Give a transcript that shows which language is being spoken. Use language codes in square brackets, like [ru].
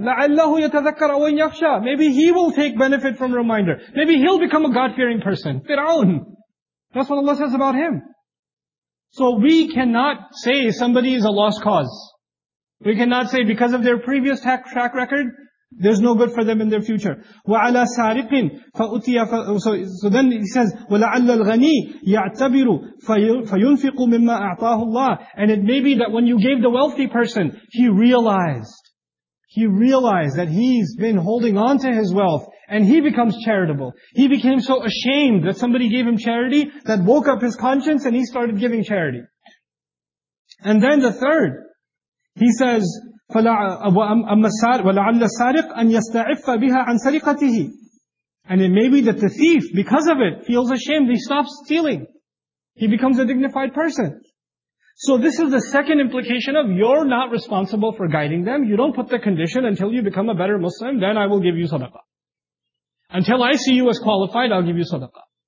[ar] La'allahu yatadhakkar aw yakhsha. [en] Maybe he will take benefit from reminder. Maybe he'll become a God-fearing person. Fir'aun. That's what Allah says about him. So we cannot say somebody is a lost cause. We cannot say because of their previous track record, there's no good for them in their future. [ar] وَعَلَى سَارِقٍ فَأُتِيَ [en] So then he says, [ar] وَلَعَلَّ الْغَنِي يَعْتَبِرُ فَيُنْفِقُ مِمَّا أَعْطَاهُ اللَّهِ. [en] And it may be that when you gave the wealthy person, he realized that he's been holding on to his wealth, and he becomes charitable. He became so ashamed that somebody gave him charity, that woke up his conscience and he started giving charity. And then the third, he says, [ar] وَلَعَلَّ السَّارِقَ أَن يَسْتَعِفَّ بِهَا عَن سَرِقَتِهِ. [en] And it may be that the thief, because of it, feels ashamed, he stops stealing. He becomes a dignified person. So this is the second implication of, you're not responsible for guiding them, you don't put the condition, until you become a better Muslim, then I will give you sadaqah. Until I see you as qualified, I'll give you sadaqah.